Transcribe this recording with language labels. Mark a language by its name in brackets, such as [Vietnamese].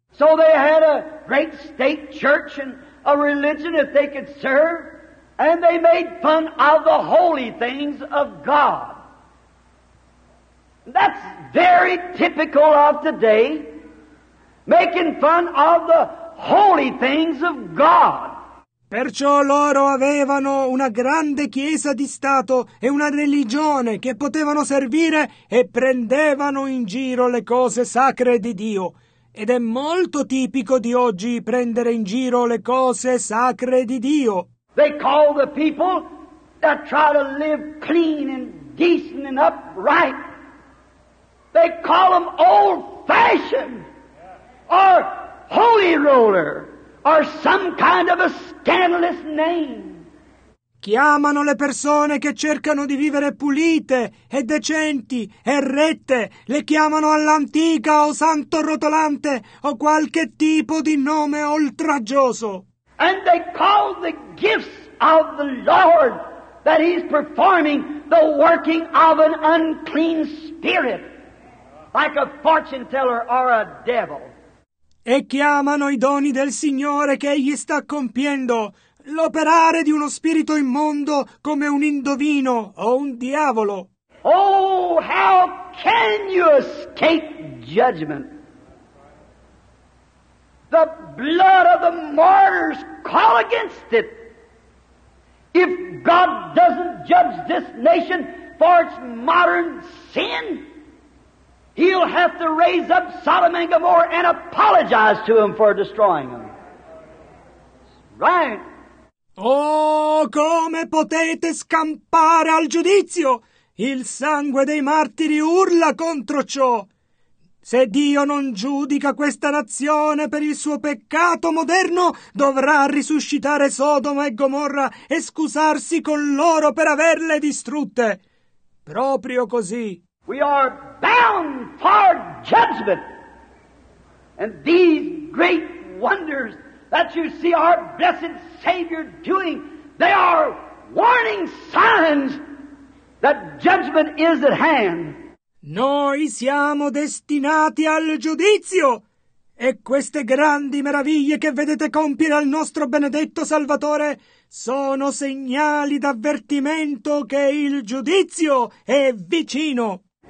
[English] So they had a great state church and a religion that they could serve, and they made fun of the holy things of God. That's very typical of today, making fun of the holy things of God. [Italian] Perciò loro avevano una grande chiesa di Stato e una religione che potevano servire e prendevano in giro le cose sacre di Dio. Ed è molto tipico di oggi prendere in giro le cose sacre di Dio. [English] They call the people that try to live clean and decent and upright. They call them old-fashioned, or holy roller, or some kind of a scandalous name. [Italian] Chiamano le persone che cercano di vivere pulite e decenti e rette, le chiamano all'antica o santo rotolante o qualche tipo di nome oltraggioso. [English] And they call the gifts of the Lord that he's performing the working of an unclean spirit. Like a fortune teller or a devil. [Italian] E chiamano i doni del Signore che egli sta compiendo l'operare di uno spirito immondo come un indovino o un diavolo. [English] Oh, how can you escape judgment? The blood of the martyrs call against it. If God doesn't judge this nation for its modern sin, he'll have to raise up Sodom and Gomorrah and apologize to him for destroying them. Right. [Italian] Oh, come potete scampare al giudizio? Il sangue dei martiri urla contro ciò. Se Dio non giudica questa nazione per il suo peccato moderno, dovrà risuscitare Sodoma e Gomorra e scusarsi con loro per averle distrutte. Proprio così. [English] We are bound for judgment. And these great wonders that you see our blessed Savior doing, they are warning signs that judgment is at hand. [Italian] Noi siamo destinati al giudizio, e queste grandi meraviglie che vedete compiere al nostro benedetto Salvatore sono segnali d'avvertimento che il giudizio è vicino.